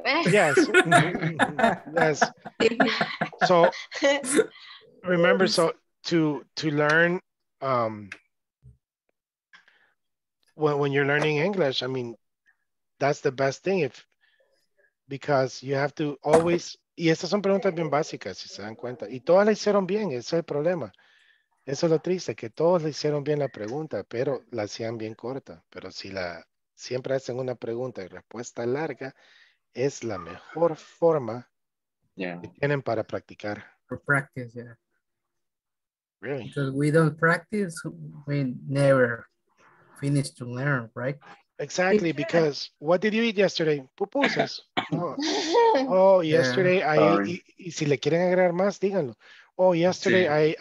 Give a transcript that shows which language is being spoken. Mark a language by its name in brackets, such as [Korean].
[English] Yes. Yes. So, remember, so to learn, when you're learning English, I mean, that's the best thing. Because you have to always, [Spanish] y estas son preguntas bien básicas, si se dan cuenta. Y todas la hicieron bien, ese es el problema. Eso es lo triste, que todos le hicieron bien la pregunta, pero la hacían bien corta. Pero si la siempre hacen una pregunta y respuesta larga, es la mejor forma que tienen para practicar. [English] For practice, yeah. Really? Because we don't practice, we never finish to learn, right? Exactly, because what did you eat yesterday? Pupusas. Oh, yesterday, yeah, I [Spanish] y si le quieren agregar más, díganlo. [English] Oh, yesterday, sí.